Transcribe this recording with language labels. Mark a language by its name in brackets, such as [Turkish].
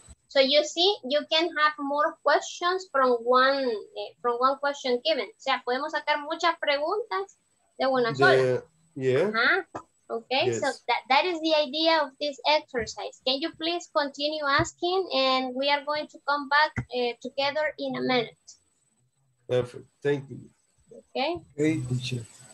[English] So you see, you can have more questions from one question given. [Spanish] O sea, podemos sacar muchas preguntas de una sola. [English] Yeah. Uh-huh. Okay, yes. So that is the idea of this exercise. Can you please continue asking? And we are going to come back together in a minute. Perfect, thank you. Okay. Hey, teacher.